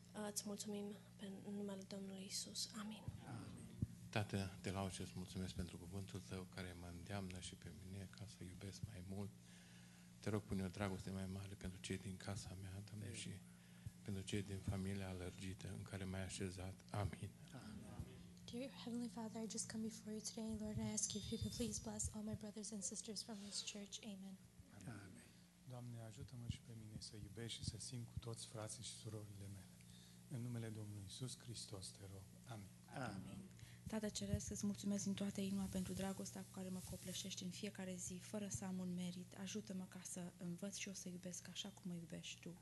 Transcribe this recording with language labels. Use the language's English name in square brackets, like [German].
[Romanian] Îți mulțumim în numele Domnului Iisus. Amin. Tată, te lau și îți mulțumesc pentru cuvântul Tău care mă îndeamnă și pe mine ca să iubesc mai mult. Te rog, pune o dragoste mai mare pentru cei din casa mea, Doamne, și pentru cei din familia alărgită în care m-ai așezat. Amin. [English] Dear Heavenly Father, I just come before You today, Lord, and I ask You if You could please bless all my brothers and sisters from this church. Amen. Amen. [Romanian] Doamne, ajută-mă și pe mine să iubesc și să simt cu toți frații și surorile mele. În numele Domnului Iisus Hristos, te rog. Amin. Amin. Tată Ceresc, îți mulțumesc din toată inima pentru dragostea cu care mă copleșești în fiecare zi, fără să am un merit. Ajută-mă ca să învăț și eu să iubesc așa cum mă iubești Tu.